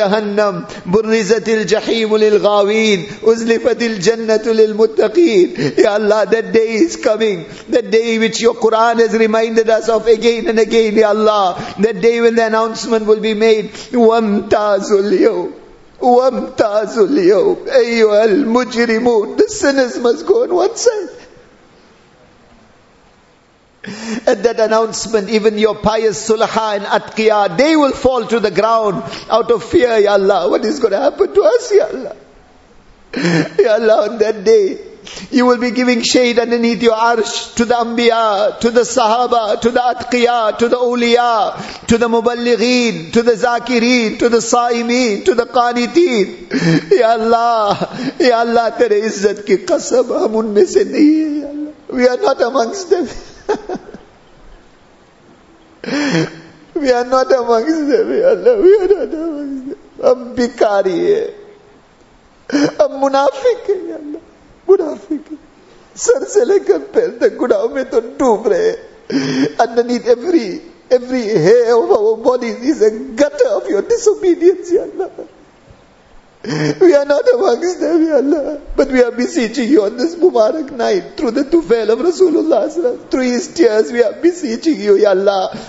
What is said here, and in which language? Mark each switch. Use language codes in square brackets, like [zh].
[ar] جهنم برزت الجحيم للغاوين أزلفت الجنة للمتقين. [en] Ya Allah, that day is coming, that day which your Quran has reminded us of again and again, Ya Allah, that day when the announcement will be made, [ar] وامتاز اليوم أيها المجرمون. [en] The sinners must go on one side. At that announcement, even your pious sulaha and atqiya, they will fall to the ground out of fear, Ya Allah. What is going to happen to us, Ya Allah? Ya Allah, on that day, you will be giving shade underneath your arsh to the anbiya, to the sahaba, to the atqiya, to the awliya, to the muballighin, to the zakireen, to the saimeen, to the qaniteen. [ur] Ya Allah, tere izzat ki qasam, hum unme se nahi hai, Ya Allah. [en] We are not amongst them. We are not amongst them, Ya Allah. We are not amongst them. [ur] ہم بیکاری ہے, ہم منافق ہیں, یا اللہ منافق ہیں, سر سے لے کر پیر تک گناہوں میں تو ڈوب رہے ہیں. [en] Underneath every hair of our bodies is a gutter of your disobedience, یا اللہ. We are not amongst them, ya Allah. But we are beseeching you on this Mubarak night, through the tufail of Rasulullah sallallahu alaihi, through his tears, we are beseeching you, ya Allah.